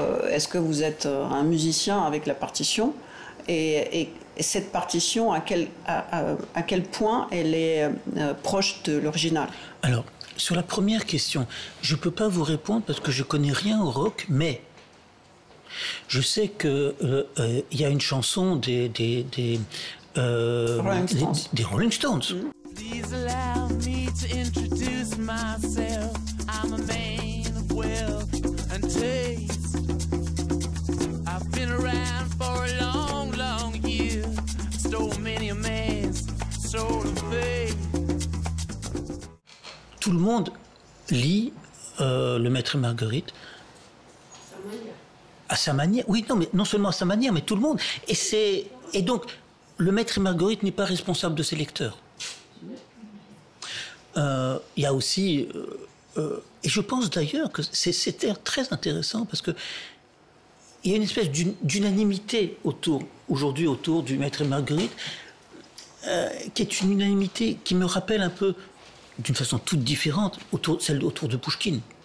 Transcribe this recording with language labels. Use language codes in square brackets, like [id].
[fr] Est-ce que vous êtes un musicien avec la partition? Et cette partition, à quel point elle est proche de l'original? Alors, sur la première question, je ne peux pas vous répondre parce que je ne connais rien au rock, mais... Je sais que y a une chanson des Rolling Stones. [en] Please allow me to introduce myself. I'm a man of wealth and taste. I've been around for a long, long year. Stole many a man's soul of faith. [fr] Tout le monde lit Le Maître et Marguerite. À sa manière, oui, non, mais non seulement à sa manière, mais tout le monde. Et donc, Le Maître et Marguerite n'est pas responsable de ses lecteurs. Il y a aussi, et je pense d'ailleurs que c'était très intéressant parce que il y a une espèce d'unanimité aujourd'hui autour du Maître et Marguerite, qui est une unanimité qui me rappelle un peu, d'une façon toute différente, celle autour de Pouchkine.